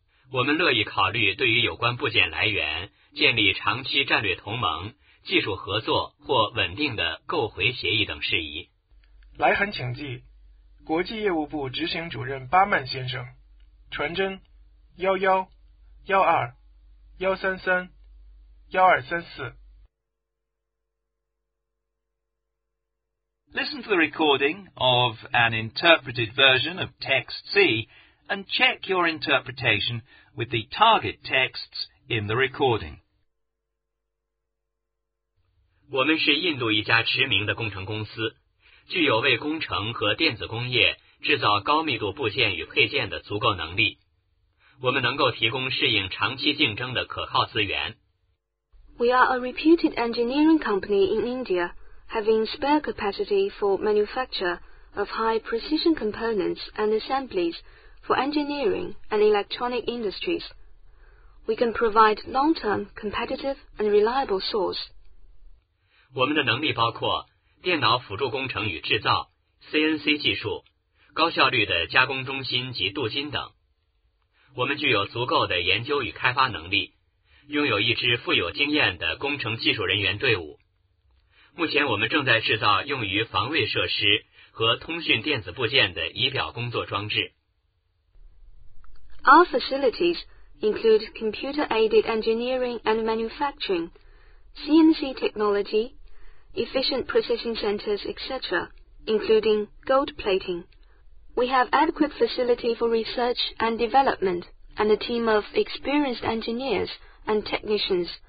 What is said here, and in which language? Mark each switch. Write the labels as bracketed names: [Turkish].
[Chinese] 我们乐意考虑对于有关部件来源建立长期战略同盟、技术合作或稳定的购回协议等事宜。来函请记，国际业务部执行主任巴曼先生，传真11-12-133-1234。 [English] Listen to the recording of an interpreted version of text C and check your interpretation. With the target texts in the recording. [Chinese] 我们是印度一家驰名的工程公司，具有为工程和电子工业制造高密度部件与配件的足够能力。我们能够提供适应长期竞争的可靠资源。 [English] We are a reputed engineering company in India, having spare capacity for manufacture of high precision components and assemblies. For engineering and electronic industries, we can provide long-term, competitive, and reliable source. [Chinese] 我们的能力包括电脑辅助工程与制造、CNC 技术、高效率的加工中心及镀金等。我们具有足够的研究与开发能力，拥有一支富有经验的工程技术人员队伍。目前我们正在制造用于防卫设施和通讯电子部件的仪表工作装置。 [English] Our facilities include computer-aided engineering and manufacturing, CNC technology, efficient precision centers, etc., including gold plating. We have adequate facility for research and development and a team of experienced engineers and technicians.